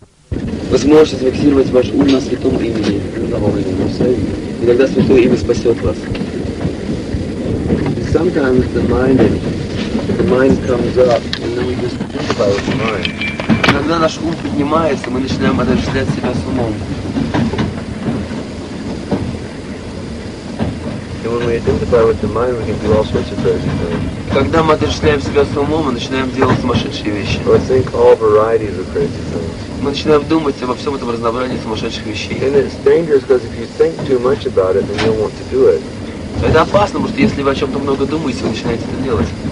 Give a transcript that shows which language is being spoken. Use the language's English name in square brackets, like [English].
[Russian] вы сможете зафиксировать ваш ум на святом имени, на Омене Мусей, и тогда святое имя спасет вас. [English] Sometimes the mind comes up, and then we just think about the mind. [Russian] Когда наш ум поднимается, мы начинаем отождествлять себя с умом. [English] And when we identify with the mind, we can do all sorts of crazy things. [Russian] Когда мы отождествляем себя с умом, мы начинаем делать сумасшедшие вещи. [English] Or think all varieties of crazy things. [Russian] Мы начинаем думать обо всем этом разнообразии сумасшедших вещей. [English] And it's dangerous because if you think too much about it, then you'll want to do it. [Russian] Это опасно, потому что если вы о чем-то много думаете, вы начинаете это делать.